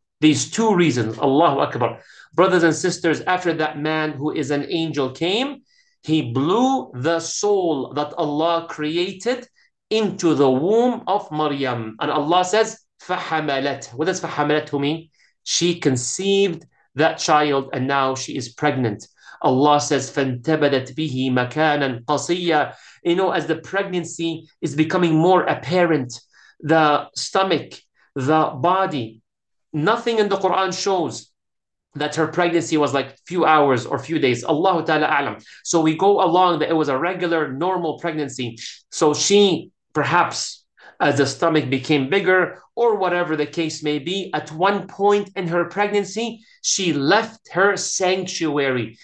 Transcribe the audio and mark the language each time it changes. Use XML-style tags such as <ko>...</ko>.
<en>These two reasons, Allahu Akbar. Brothers and sisters, after that man who is an angel came, he blew the soul that Allah created into the womb of Maryam. And Allah says, فَحَمَلَتْ. What does فَحَمَلَتْ mean? She conceived that child and now she is pregnant. Allah says,</en> <ar>فَانْتَبَدَتْ بِهِ مَكَانًا قَصِيًّا.</ar> <en>You know, as the pregnancy is becoming more apparent, the stomach, the body, nothing in the Quran shows that her pregnancy was like few hours or few days. Allahu ta'ala a'lam. So we go along that it was a regular, normal pregnancy. So she, perhaps as the stomach became bigger or whatever the case may be, at one point in her pregnancy, she left her sanctuary.</en>